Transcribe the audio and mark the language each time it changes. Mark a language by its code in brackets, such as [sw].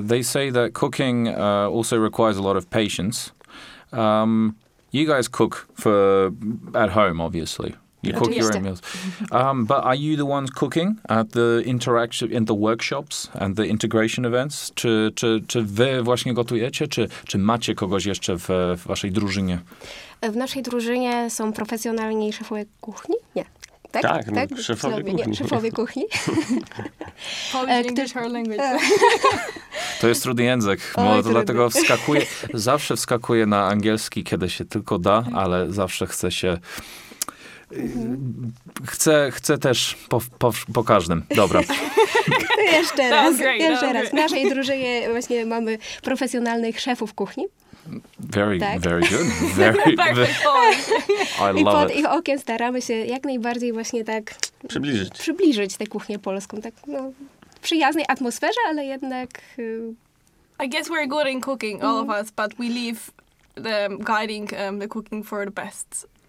[en] They say that cooking also requires a lot of patience. You guys cook for at home, obviously. You cook your own meals. But are you the ones cooking at the interaction in the workshops and the integration events? [pl] Czy wy właśnie gotujecie, czy macie kogoś jeszcze w waszej drużynie? W naszej drużynie są profesjonalni szefowie kuchni? Nie. Tak, tak. No, szefowie kuchni. [en] English, her language. [pl] To jest trudny język, dlatego zawsze wskakuję na angielski, kiedy się tylko da, ale zawsze chcę się... Chcę też po każdym. Dobra. Jeszcze raz. W naszej drużynie właśnie mamy profesjonalnych szefów kuchni. [en] Very, [pl] tak? [en] Very good. Very, very, I love it. [pl] I pod ich okiem staramy się jak najbardziej właśnie tak przybliżyć tę kuchnię polską, tak no, w przyjaznej atmosferze, ale jednak... [en] I guess we're good in cooking, all of us, but we leave the guiding the cooking for the best.